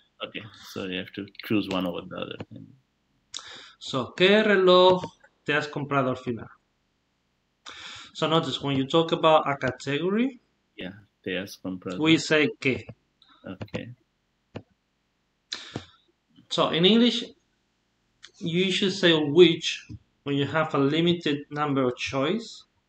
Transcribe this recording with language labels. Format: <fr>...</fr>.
<en>Okay, so you have to choose one over the other.</en> <es>So, ¿qué reloj te has comprado al final?</es> <en>So notice when you talk about a category,</en> <es>Yeah, te has</es> <en>we</en> <es>comprado.</es> <en>say que. Okay. So in English, you should say which when you have a limited number of choice.</en>